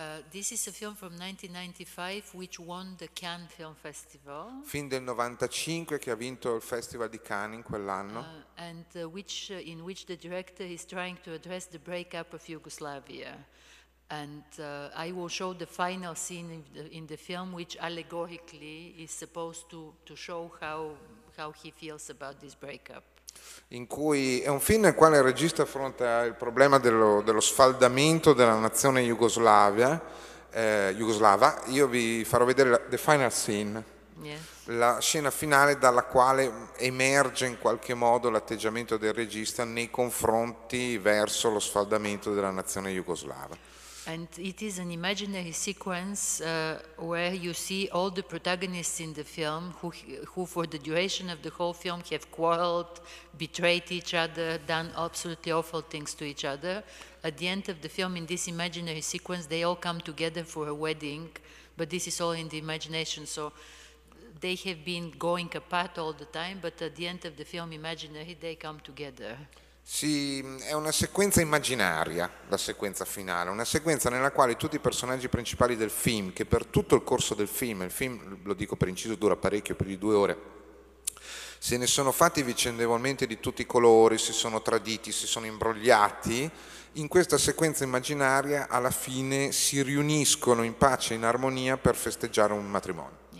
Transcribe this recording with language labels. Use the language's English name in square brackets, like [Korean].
[English] This is a film from 1995 which won the Cannes Film Festival. [Italian] Film del 95 che ha vinto il Festival di Cannes in quell'anno. [English] In which the director is trying to address the breakup of Yugoslavia. And I will show the final scene in the film, which allegorically is supposed to show how he feels about this breakup. [Italian] In cui è un film nel quale il regista affronta il problema dello sfaldamento della nazione jugoslava. Io vi farò vedere [English] the final scene, [Italian] la scena finale, dalla quale emerge in qualche modo l'atteggiamento del regista nei confronti verso lo sfaldamento della nazione jugoslava. [English] And it is an imaginary sequence where you see all the protagonists in the film who for the duration of the whole film have quarreled, betrayed each other, done absolutely awful things to each other. At the end of the film, in this imaginary sequence, they all come together for a wedding, but this is all in the imagination. So they have been going apart all the time, but at the end of the film, imaginary, they come together. [Italian] Sì, è una sequenza immaginaria, la sequenza finale, una sequenza nella quale tutti i personaggi principali del film, che per tutto il corso del film, il film, lo dico per inciso, dura parecchio, più di 2 ore, se ne sono fatti vicendevolmente di tutti i colori, si sono traditi, si sono imbrogliati, in questa sequenza immaginaria alla fine si riuniscono in pace e in armonia per festeggiare un matrimonio.